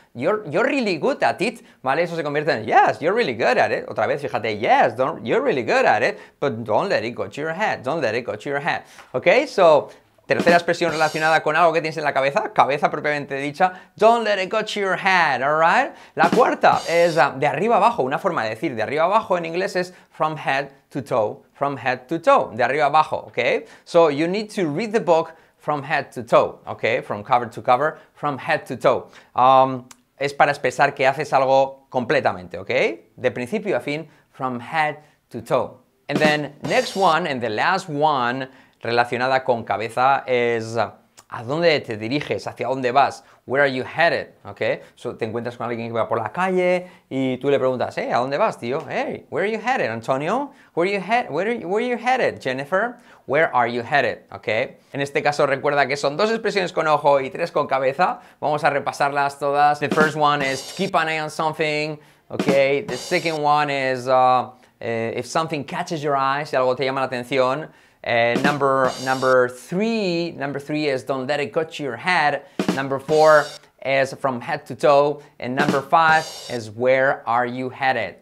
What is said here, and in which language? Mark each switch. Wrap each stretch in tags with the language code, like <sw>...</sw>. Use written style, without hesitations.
<en>you're really good at it,</en> <es>vale, eso se convierte en</es> <en>yes, you're really good at it,</en> <es>otra vez, fíjate,</es> <en>yes, you're really good at it, but don't let it go to your head, don't let it go to your head, okay, so,</en> <es>tercera expresión relacionada con algo que tienes en la cabeza, cabeza propiamente dicha,</es> <en>don't let it go to your head, alright?</en> <es>La cuarta es de arriba abajo, una forma de decir de arriba abajo en inglés es</es> <en>from head to toe, from head to toe,</en> <es>de arriba abajo, ok?</es> <en>So you need to read the book from head to toe, ok? From cover to cover, from head to toe.</en> <es>Es para expresar que haces algo completamente, ok? De principio a fin,</es> <en>from head to toe. And then next one and the last one</en> <es>relacionada con cabeza es ¿a dónde te diriges? ¿Hacia dónde vas?</es> <en>Where are you headed? ¿Ok?</en> <es>So, te encuentras con alguien que va por la calle y tú le preguntas, hey, ¿a dónde vas, tío?</es> <en>Hey, where are you headed, Antonio? Where are you headed, Jennifer? Where are you headed? ¿Ok?</en> <es>En este caso, recuerda que son dos expresiones con ojo y tres con cabeza. Vamos a repasarlas todas.</es> <en>The first one is keep an eye on something. ¿Ok? The second one is if something catches your eye,</en> <es>si algo te llama la atención.</es> <en>Number three is don't let it go to your head. Number four is from head to toe. And number five is where are you headed?</en>